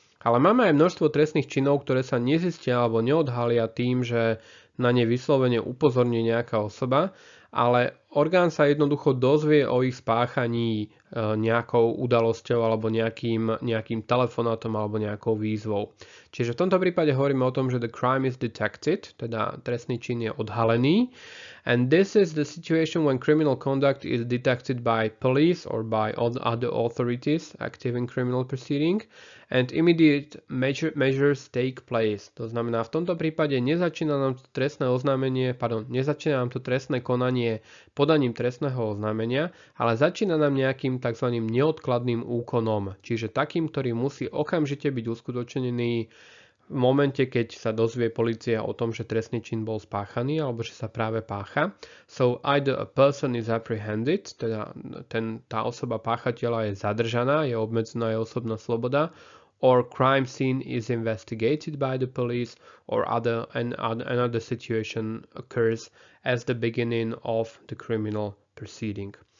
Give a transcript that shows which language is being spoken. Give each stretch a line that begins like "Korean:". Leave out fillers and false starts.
Slovak: Ale máme aj množstvo trestných činov, ktoré sa nezistia alebo neodhalia tým, že na ne vyslovene upozorní nejaká osoba, ale orgán sa jednoducho dozvie o ich spáchaní nejakou udalosťou alebo nejakým telefonátom alebo nejakou výzvou. Čiže v tomto prípade hovoríme o tom, že
English: the crime is detected,
Slovak: teda trestný čin je odhalený.
English: And this is the situation when criminal conduct is detected by police or by other authorities active in criminal proceeding and immediate measures take place.
Slovak: To znamená, v tomto prípade nezačína nám to trestné konanie podaním trestného oznámenia, ale začína nám nejakým tzv. Neodkladným úkonom, čiže takým, ktorý musí okamžite byť uskutočnený V momente, keď sa dozvie policia o tom, že trestný čin bol spáchaný alebo že sa práve pácha,
English: so either a person is apprehended,
Slovak: teda tá osoba páchateľa je zadržaná, je obmedzená jej osobná sloboda,
English: or crime scene is investigated by the police, or another situation occurs as the beginning of the criminal proceeding.